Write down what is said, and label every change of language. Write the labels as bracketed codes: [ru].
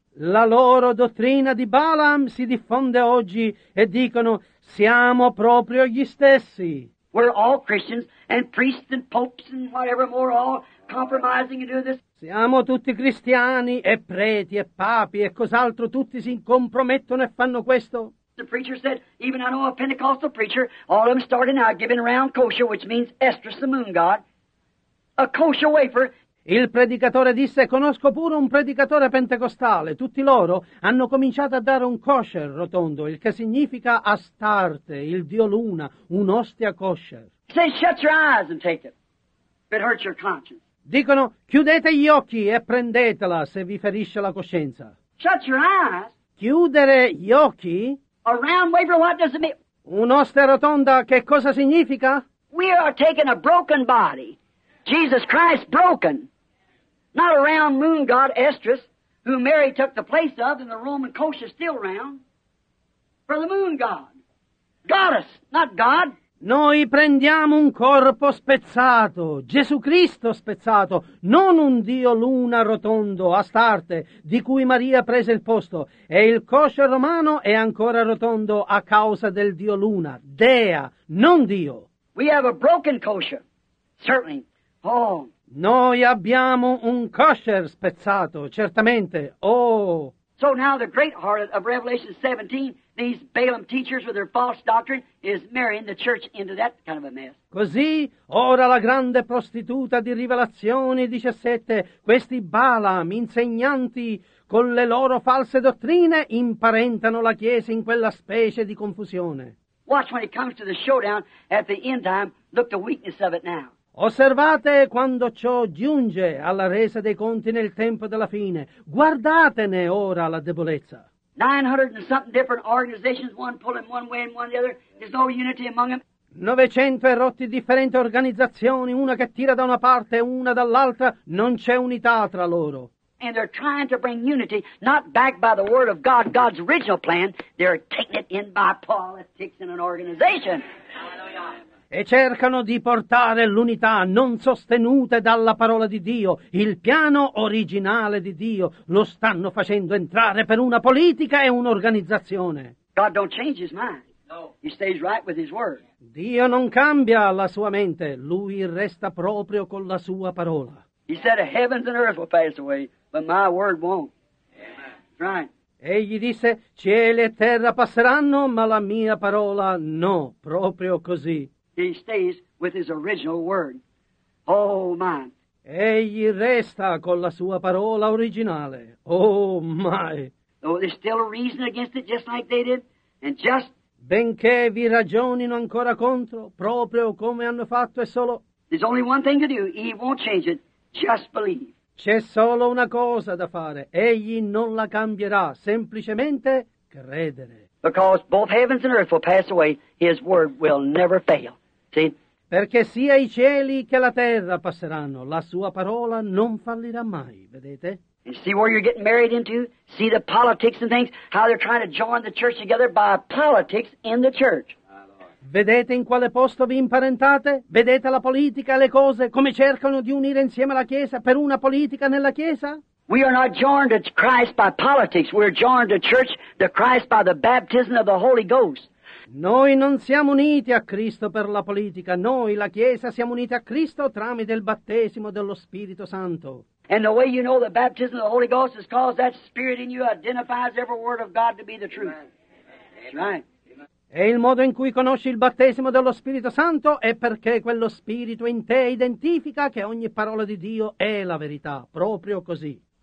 [it] La loro dottrina di Balaam si diffonde oggi e dicono siamo proprio gli stessi. [en] We're all Christians and priests and popes and whatever more all compromising and doing this. [it] Siamo tutti cristiani e preti e papi e cos'altro tutti si compromettono e fanno questo. [en] The preacher said, even I know a Pentecostal preacher, all of them starting out giving around kosher, which means estrus, the moon god, a kosher wafer. [it] Il predicatore disse, conosco pure un predicatore pentecostale. Tutti loro hanno cominciato a dare un kosher rotondo, il che significa Astarte, il dio luna, un'ostia kosher. [en] Say, shut your eyes and take it. It hurts your conscience. [it] Dicono, chiudete gli occhi e prendetela se vi ferisce la coscienza. [en] Shut your eyes. [it] Chiudere gli occhi. [en] A round wafer, what does it mean? [it] Un'ostia rotonda, che cosa significa? [en] We are taking a broken body. Jesus Christ broken. Not a round moon god, Estrus, who Mary took the place of, and the Roman kosher still round. For the moon god. Goddess, not God. [it] Noi prendiamo un corpo spezzato, Gesù Cristo spezzato, non un dio luna rotondo, Astarte, di cui Maria prese il posto, e il kosher romano è ancora rotondo a causa del dio luna, Dea, non Dio. [en] We have a broken kosher, certainly. Oh. [it] Noi abbiamo un kosher spezzato, certamente. Oh. [en] So now the great harlot of Revelation 17, these Balaam teachers with their false doctrine, is marrying the church into that kind of a mess. [it] Così, ora la grande prostituta di Rivelazione 17, questi Balaam insegnanti con le loro false dottrine, imparentano la chiesa in quella specie di confusione. [en] Watch when it comes to the showdown at the end time, look the weakness of it now. [it] Osservate quando ciò giunge alla resa dei conti nel tempo della fine. Guardatene ora la debolezza. [en] 900 and something different organizations, one pulling one way and one the other. There's no unity among them. [it] 900 e rotti differenti organizzazioni, una che tira da una parte e una dall'altra, non c'è unità tra loro. [en] And they're trying to bring unity, not backed by the word of God, God's original plan. They're taking it in by politics and an organization. [it] E cercano di portare l'unità non sostenute dalla parola di Dio, il piano originale di Dio, lo stanno facendo entrare per una politica e un'organizzazione. [en] God don't change his mind. No. He stays right with his word. [it] Dio non cambia la sua mente, lui resta proprio con la sua parola. [en] He said, heavens and earth will pass away, but my word won't. Yeah. Right. [it] Egli disse, cieli e terra passeranno, ma la mia parola no, proprio così. [en] He stays with his original word. Oh, my. [it] Egli resta con la sua parola originale. [en] Oh, my. Though there's still a reason against it, just like they did, and just... [it] Benché vi ragionino ancora contro, proprio come hanno fatto, e solo... [en] There's only one thing to do. He won't change it. Just believe. [it] C'è solo una cosa da fare. Egli non la cambierà. Semplicemente credere. [en] Because both heavens and earth will pass away, his word will never fail. See? [it] Perché sia i cieli che la terra passeranno, la sua parola non fallirà mai, vedete? [en] And see where you're getting married into? See the politics and things, how they're trying to join the church together by politics in the church. [it] Vedete in quale posto vi imparentate? Vedete la politica e le cose, come cercano di unire insieme la Chiesa per una politica nella Chiesa? [en] We are not joined to Christ by politics, we are joined to church, to Christ by the baptism of the Holy Ghost. [it] Noi non siamo uniti a Cristo per la politica, noi, la Chiesa, siamo uniti a Cristo tramite il battesimo dello Spirito Santo. [en] And the way you know the baptism of the Holy Ghost is because that Spirit in you identifies every word of God to be the truth. Amen. That's right. [it] E il modo in cui conosci il battesimo dello Spirito Santo è perché quello Spirito in te identifica che ogni parola di Dio è la verità, proprio così.